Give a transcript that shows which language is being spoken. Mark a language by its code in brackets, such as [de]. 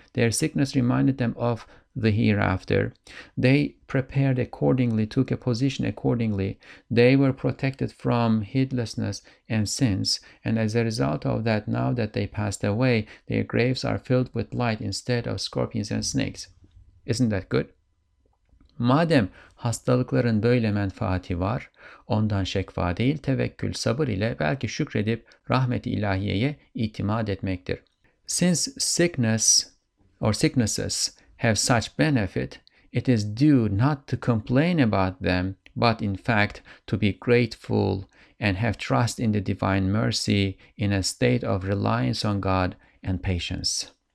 [en] Their sickness reminded them of the hereafter. They prepared accordingly, took a position accordingly. They were protected from heedlessness and sins. And as a result of that, now that they passed away, their graves are filled with light instead of scorpions and snakes. Isn't that good? [tr] Madem hastalıkların böyle menfaati var, ondan şekva değil, tevekkül, sabır ile belki şükredip rahmet-i ilahiyeye itimat etmektir. [en] Since sicknesses have such benefit, it is due not to complain about them, but in fact to be grateful and have trust in the divine mercy in a state of reliance on God and patience.